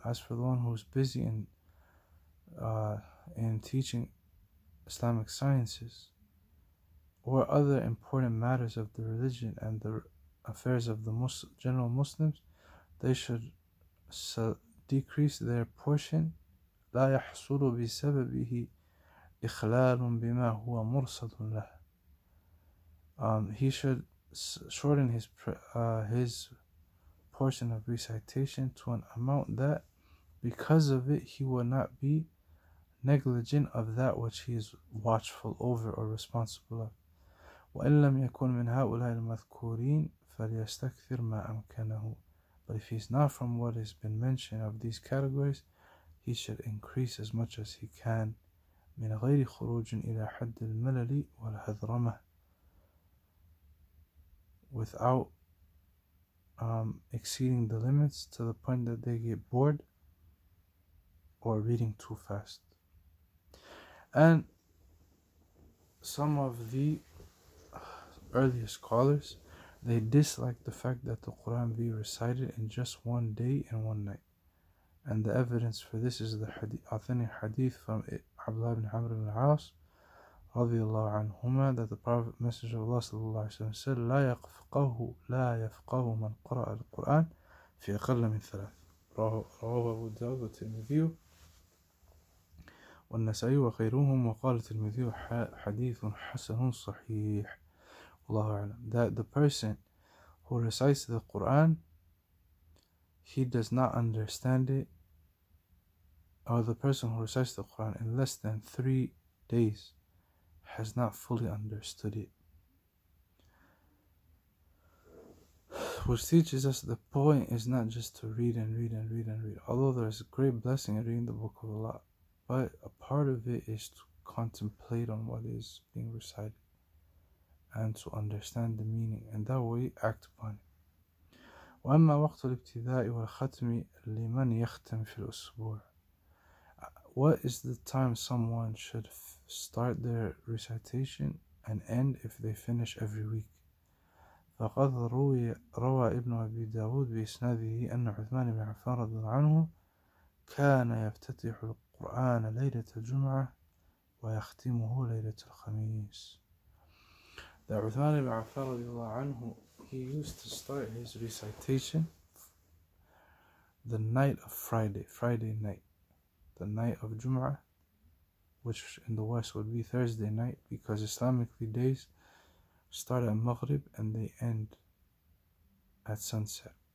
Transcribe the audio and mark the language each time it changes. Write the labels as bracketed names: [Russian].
[English] As for the one who's busy in teaching Islamic sciences or other important matters of the religion and the affairs of the general Muslims, they should decrease their portion. [Arabic] لا يحصل بسببه إخلال بما هو مرصد له. [English] He should shorten his portion of recitation to an amount that, because of it, he will not be negligent of that which he is watchful over or responsible of. [Arabic] وإن لم يكن من هؤلاء المذكورين فليستكثر ما أمكنه. [English] But if he's not from what has been mentioned of these categories, he should increase as much as he can. [Arabic] من غير خروج إلى حد الملل والهذرمة. [English] Without exceeding the limits to the point that they get bored or reading too fast. And some of the earlier scholars, they disliked the fact that the Quran be recited in just one day and one night. And the evidence for this is the authentic hadith from Abdullah ibn Amr ibn al-As radiyallahu anhuma, that the Prophet, Messenger of Allah sallallahu alayhi wa sallam, said, [Arabic] لا يفقه من قرأ القرآن في أقل من ثلاث. رواه أبو داود والترمذي والنسائي وغيرهم. وقال الترمذي حديث حسن صحيح. الله أعلم. [English] That the person who recites the Quran, he does not understand it, or the person who recites the Quran in less than 3 days has not fully understood it. Which teaches us the point is not just to read and read and read and read, although there is a great blessing in reading the Book of Allah, but a part of it is to contemplate on what is being recited and to understand the meaning, and that way act upon it. [Arabic] وأما وقت الابتداء والختم لمن يختم في الأسبوع. [English] What is the time someone should start their recitation and end if they finish every week? [Arabic] فقد روى ابن أبي داود بإسناده أن عثمان بن عفان رضي الله عنه كان يفتتح القرآن ليلة الجمعة ويختمه ليلة الخميس. [English] That Uthman ibn Affan radiallahu anhu, he used to start his recitation the night of Friday night, the night of Jum'ah, which in the West would be Thursday night, because Islamically days start at Maghrib and they end at sunset.